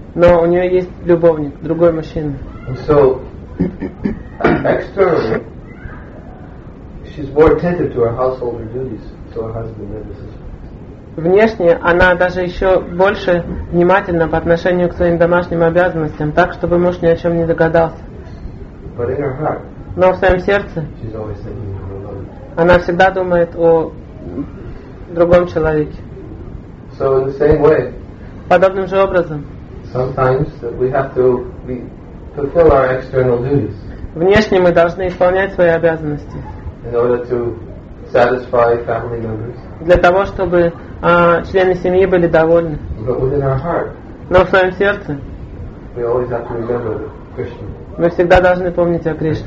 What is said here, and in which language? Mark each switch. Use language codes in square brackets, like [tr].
[ru] Но у нее есть любовник, другой мужчина. [en] And so externally she's more attentive to her household duties, to her husband and his sister. [ru] Внешне она даже еще больше внимательна по отношению к своим домашним обязанностям, так чтобы муж ни о чем не догадался. [en] But in her heart, [ru] но в своем сердце [en] she's always thinking of her mother. [ru] Она всегда думает о другом человеке. [en] So in the same way, [ru] подобным же образом, [en] sometimes we have to fulfill our external duties. [ru] Внешне мы должны исполнять свои обязанности. [en] In order to satisfy family members. [ru] Для того чтобы члены семьи были довольны. [en] But within our heart, [ru] но в своем сердце, [en] we always have to remember Krishna. [ru] Мы всегда должны помнить о Кришне.